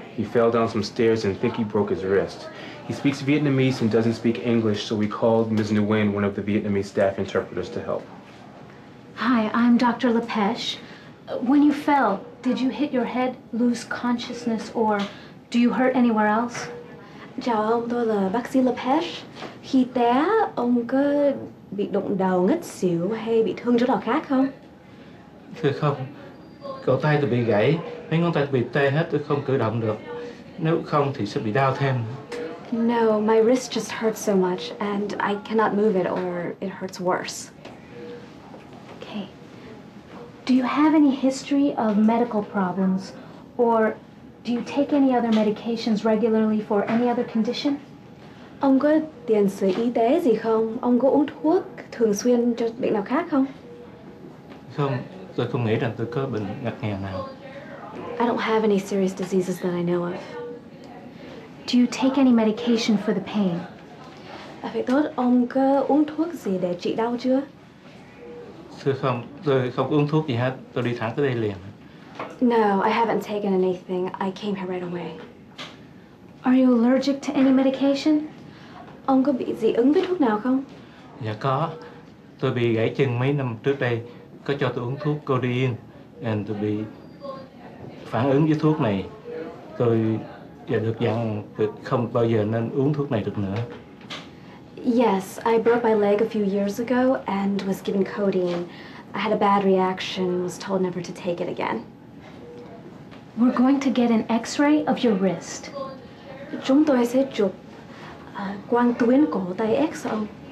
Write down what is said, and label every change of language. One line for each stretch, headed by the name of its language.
English: He fell down some stairs and I think he broke his wrist. He speaks Vietnamese and doesn't speak English, so we called Ms. Nguyen, one of the Vietnamese staff interpreters, to help. Hi, I'm Dr. Lepesh. When you fell, did you hit your head, lose consciousness, or do you hurt anywhere else?
Vietnamese: Chào, tôi là bác sĩ Lepesh. Khi té, ông có bị đụng đầu ngất xỉu hay bị thương chỗ nào khác không? Thưa không. Cổ tay tôi bị gãy, mấy ngón tay tôi bị tê hết, tôi không cử động được. Nếu không thì sẽ bị đau thêm.
English: No, my wrist just hurts so much, and I cannot move it, or it hurts worse. Okay. Do you have any history of medical problems, or do you take any other medications regularly for any other condition?
Vietnamese: Ông có tiền sử y tế gì không? Ông có uống thuốc thường xuyên cho bệnh nào khác không? Không, tôi không nghĩ rằng tôi có bệnh ngặt nghèo nào.
English: I don't have any serious diseases that I know of. Do you take any medication for the pain?
Vietnamese: Vậy tốt, ông có uống thuốc gì để trị đau chưa? Thưa không, tôi không uống thuốc gì hết. Tôi đi thẳng tới đây liền.
English: No, I haven't taken anything. I came here right away. Are you allergic to any medication?
Vietnamese: Ông có bị dị ứng với thuốc nào không? Dạ có. Tôi bị gãy chân mấy năm trước đây. Có cho tôi uống thuốc codeine. And tôi bị phản ứng với thuốc này. Tôi... Dạ, được dặn không bao giờ nên uống thuốc này được nữa.
English: Yes, I broke my leg a few years ago and was given codeine. I had a bad reaction, was told never to take it again. We're going to get an x-ray of your wrist.
Vietnamese: Chúng tôi sẽ chụp quang tuyến cổ tay X ông.